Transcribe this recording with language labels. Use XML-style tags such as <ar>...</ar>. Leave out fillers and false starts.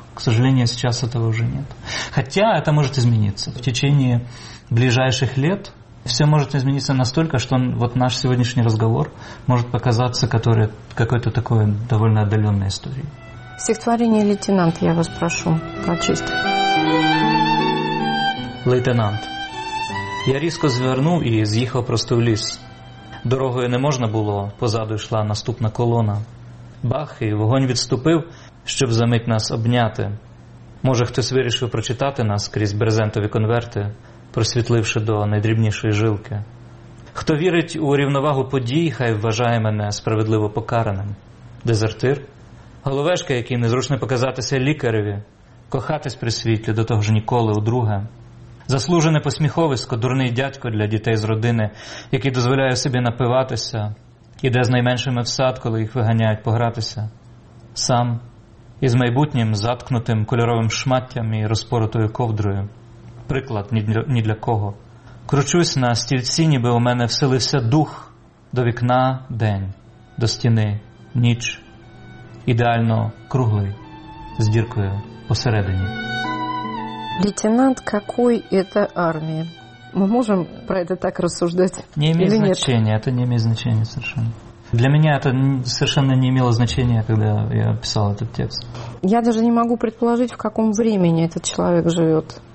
<ru>К сожалению, сейчас этого уже нет. Хотя это может измениться. В течение ближайших лет все может измениться настолько, что вот наш сегодняшний разговор может показаться который, какой-то такой довольно отдаленной историей. Стихотворение «Лейтенант» я вас прошу прочесть. Лейтенант.</ru> <uk>Я різко звернув і з'їхав просто в ліс. Дорогою не можна було, позаду йшла наступна колона. Бах, і вогонь відступив, щоб за мить нас обняти. Може, хтось вирішив прочитати нас крізь брезентові конверти, просвітливши до найдрібнішої жилки. Хто вірить у рівновагу подій, хай вважає мене справедливо покараним. Дезертир? Головешка, який незручно показатися лікареві. Кохатись при світлі, до того ж ніколи, удруге. Заслужене посміховисько, дурний дядько для дітей з родини, який дозволяє собі напиватися, іде з найменшими в сад, коли їх виганяють погратися. Сам із майбутнім заткнутим кольоровим шматтям і розпоротою ковдрою. Приклад ні для кого. Кручусь на стільці, ніби у мене вселився дух. До вікна – день, до стіни – ніч. Ідеально круглий, з діркою посередині.</uk> <ru>Лейтенант какой это армии? Мы можем про это так рассуждать? Не имеет значения, это не имеет значения совершенно. Для меня это совершенно не имело значения, когда я писал этот текст. Я даже не могу предположить, в каком времени этот человек живет.</ru>